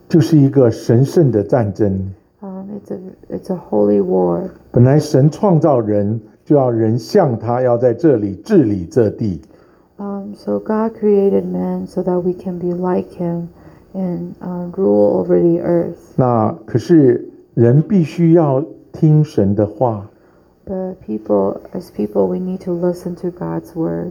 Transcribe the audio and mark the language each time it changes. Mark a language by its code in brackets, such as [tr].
[zh] 就是一个神圣的战争 [en] It's a holy war. [zh] 本来神创造人就要人像他要在这里治理这地 [en] So God created man so that we can be like him and rule over the earth. [zh] 那可是人必须要听神的话 [en] But people, as people, we need to listen to God's word.